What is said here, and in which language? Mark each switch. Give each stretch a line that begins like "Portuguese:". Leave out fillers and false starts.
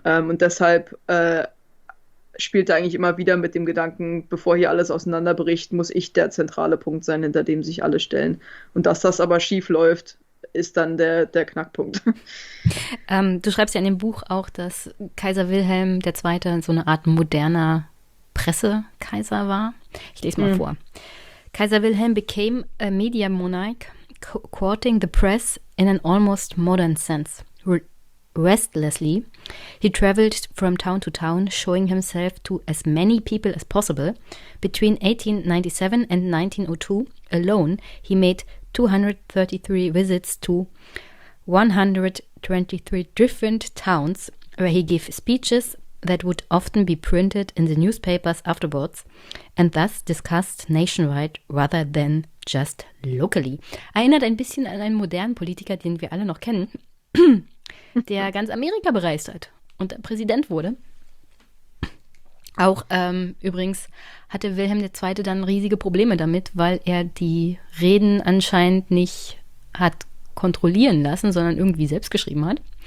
German: Und deshalb spielt er eigentlich immer wieder mit dem Gedanken, bevor hier alles auseinanderbricht, muss ich der zentrale Punkt sein, hinter dem sich alle stellen. Und dass das aber schief läuft, ist dann der Knackpunkt. Du schreibst ja in dem Buch auch, dass Kaiser Wilhelm II. So eine Art moderner Pressekaiser war. Ich lese mal vor.
English: Kaiser Wilhelm became a media monarch, courting the press in an almost modern sense. Restlessly, he traveled from town to town, showing himself to as many people as possible. Between 1897 and 1902 alone, he made 233 visits to 123 different towns where he gave speeches that would often be printed in the newspapers afterwards and thus discussed nationwide rather than just locally.
German: Erinnert ein bisschen an einen modernen Politiker, den wir alle noch kennen, der ganz Amerika bereist hat und Präsident wurde. Auch übrigens hatte Wilhelm II. Dann riesige Probleme damit, weil er die Reden anscheinend nicht hat kontrollieren lassen, sondern irgendwie selbst geschrieben hat.